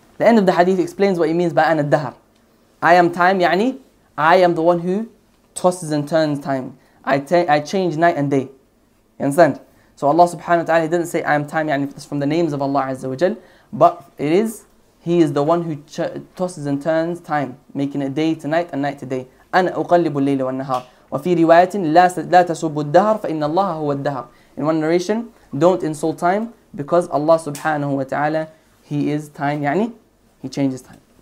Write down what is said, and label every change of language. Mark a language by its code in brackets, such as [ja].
[en] The end of the hadith explains what it means by al-dahr. I am time, يعني, I am the one who tosses and turns time. I change night and day. You understand? So Allah subhanahu wa ta'ala, he didn't say I am time, يعني, it's from the names of Allah Azza wa Jal, but it is, he is the one who tosses and turns time, making a day to night and night to day. [ar] أنا أقلب الليل والنهار. وفي رواية لا تسب الدهر فإن الله هو الدهر. [en] In one narration, don't insult time because Allah سبحانه وتعالى, he is time. يعني he changes time.